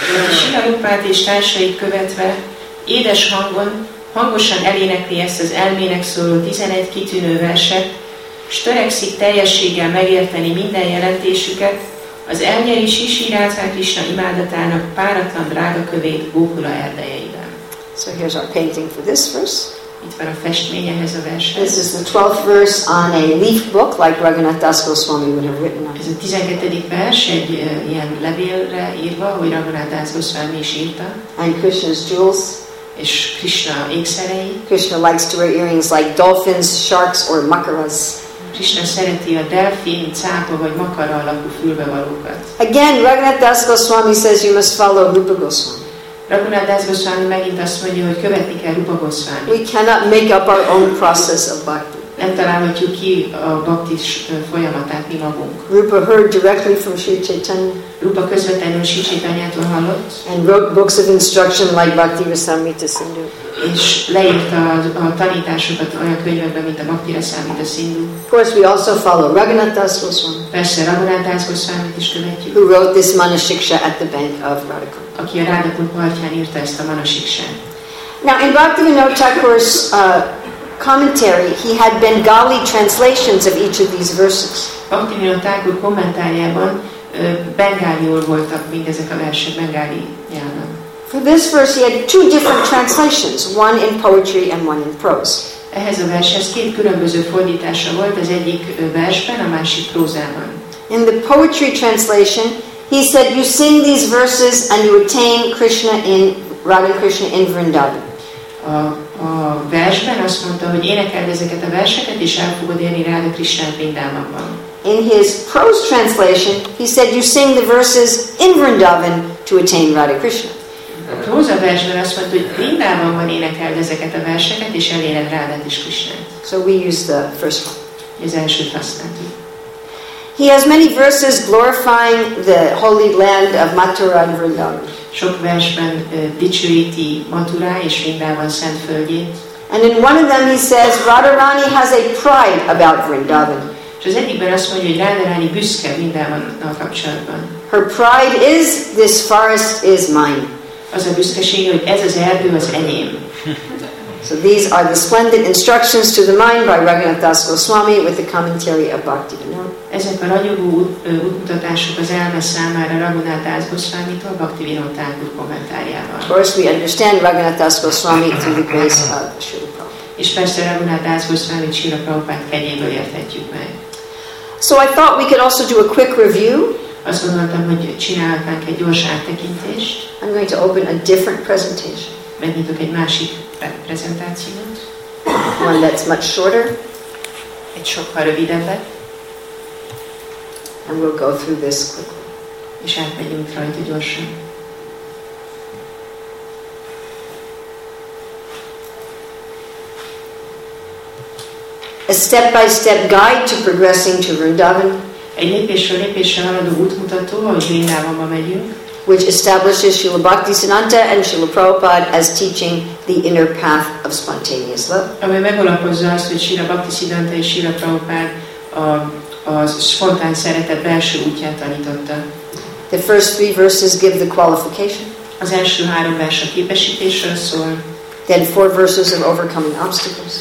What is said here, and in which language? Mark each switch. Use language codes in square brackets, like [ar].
[hu] Srila Rupát és társait követve, édes hangon, hangosan elénekli ezt az elmének szóló 11 kitűnő verset, s törekszik teljességgel megérteni minden jelentésüket, az elnyeri Srila Krishna imádatának páratlan drága kövét Gókula erdejeiben. [en] So here's our painting for this verse. [hu] Itt van a festmény ehhez a verset. [en] This is the 12th verse on a leaf book, like Raghunath Das Goswami would have written on. [hu] Ez a 12. vers egy ilyen levélre írva, hogy Raghunath Das Goswami is írta. [en] And Krishna's jewels. [hu] És Krishna ékszerei. [en] Krishna likes to wear earrings like dolphins, sharks or makaras. [hu] Krishna szereti a delfin, cápa vagy makara alakú fülbevalókat. [en] Again, Raghunath Das Goswami says you must follow Rupa Goswami. [hu] Raghunath Das Goswami megint azt mondja, hogy követni kell Rupa Goswami. [en] We cannot make up our own process of bhakti. [hu] Nem találhatjuk ki a bhakti folyamatát mi magunk. [en] Rupa heard directly from Sri Chaitanya. [hu] Rupa közvetlenül Sri Chaitanyától hallott. [en] And wrote books of instruction like Bhakti Rasamrita Sindhu. [hu] És leírta a tanításokat olyan könyvekben, mint a Bhakti Rasamrita Sindhu. [en] Of course we also follow Raghunath Das Goswami. [hu] Persze Raghunath Das Goswamit is követjük. [en] Who wrote this Manasiksha at the bank of Radhika. [hu] Aki a Radhakund partján írta ezt a Manasiksát. [en] Now in Bhaktivinoda Thakur's commentary, he had Bengali translations of each of these verses. [hu] Bhaktivinoda Thakur kommentárjában bengáliul voltak mindezek a versek bengáli nyelven. [en] For this verse, he had two different translations, one in poetry and one in prose. [hu] Ehhez a vershez két különböző fordítása volt, az egyik versben, a másik prózában. [en] In the poetry translation, he said, "You sing these verses and you attain Krishna in Radha Krishna in Vrindavan." [hu] A versben azt mondta, hogy énekeld ezeket a verseket, és el fogod élni Radha Krishna Vrindavanban. [en] In his prose translation, he said, "You sing the verses in Vrindavan to attain Radha Krishna." [hu] A próza versben azt mondta, hogy Vrindavanban énekeld ezeket a verseket, és eléred Radha Krishna. [en] So we use the first one. [hu] Az elsőt használtuk. [en] He has many verses glorifying the holy land of Mathura and Vrindavan. [hu] Sok versben dicsőíti Mathura és Vrindavan szent földjét. [en] And in one of them he says Radharani has a pride about Vrindavan. [hu] És az egyikben azt mondja, hogy Radharani büszke Vrindavannal kapcsolatban. [en] Her pride is this forest is mine. [hu] Az a büszkesége, hogy ez az erdő az enyém. [en] So these are the splendid instructions to the mind by Raghunath Das Goswami with the commentary of Bhaktivinoda. [hu] Ezek a ragyogó útmutatások az elme számára Raghunath Das Goswamitól Bhaktivinoda Thakur kommentárjával. [en] Of course we understand Raghunath Das Goswami through the grace of Srila Prabhupada. [hu] És persze Ramana Das Goswami Srila Prabhupát kegyéből érthetjük meg. [en] So I thought we could also do a quick review. [hu] Azt gondoltam, hogy csinálhatnánk egy gyors áttekintést. [en] I'm going to open a different presentation. [hu] Megnyitok egy másik prezentációt. [en] One that's much shorter. [hu] Egy sokkal rövidebbet. [en] And we'll go through this quickly. [hu] És átmegyünk rajta gyorsan. [en] A step-by-step guide to progressing to Vrindavan. [hu] Egy lépésről lépésre haladó útmutató, ahogy Vrindavanba megyünk. [en] Which establishes Srila Bhaktisiddhanta and Srila Prabhupada as teaching the inner path of spontaneous love. [hu] Ami megalapozza azt, hogy Srila Bhaktisiddhanta és Srila Prabhupada az spontán szeretet belső útját tanította. [en] The first three verses give the qualification. [hu] Az első három vers a képesítésről szól. [en] Then four verses of overcoming obstacles.